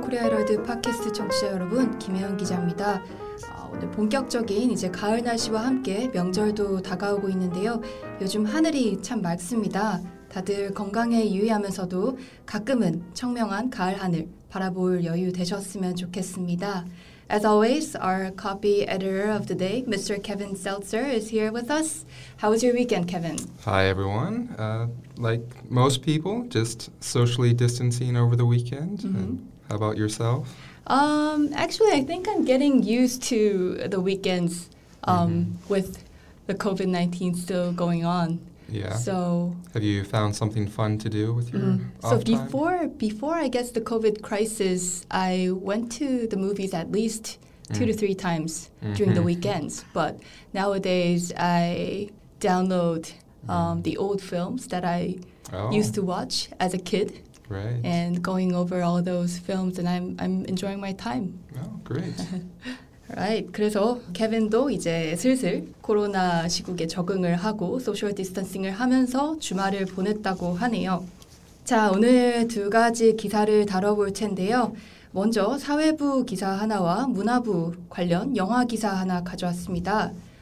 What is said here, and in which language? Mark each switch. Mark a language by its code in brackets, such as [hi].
[ko] 코리아 헤럴드 팟캐스트 청취자 여러분, 김혜영 기자입니다. 오늘 본격적인 이제 가을 날씨와 함께 명절도 다가오고 있는데요. 요즘 하늘이 참 맑습니다. 다들 건강에 유의하면서도 가끔은 청명한 가을 하늘 바라볼 여유 되셨으면 좋겠습니다. [en] As always, our copy editor of the day, Mr. Kevin Seltzer, is here with us. How was your weekend, Kevin? Hi, everyone. Like most people, just socially distancing over the weekend. Mm-hmm. And how about yourself? Actually, I think I'm getting used to the weekends with the COVID-19 still going on. Yeah. So have you found something fun to do with your off time? Before I guess the COVID crisis, I went to the movies at least 2 to 3 times during the weekends. But nowadays, I download the old films that I used to watch as a kid. Right. And going over all those films, and I'm enjoying my time. Oh, great. Right. [ko] 그래서 케빈도 이제 슬슬 코로나 시국에 적응을 하고 소셜 디스턴싱을 하면서 주말을 보냈다고 하네요. 자, 오늘 두 가지 기사를 다뤄볼 텐데요. 먼저 사회부 기사 하나와 문화부 관련 영화 기사 하나 가져왔습니다.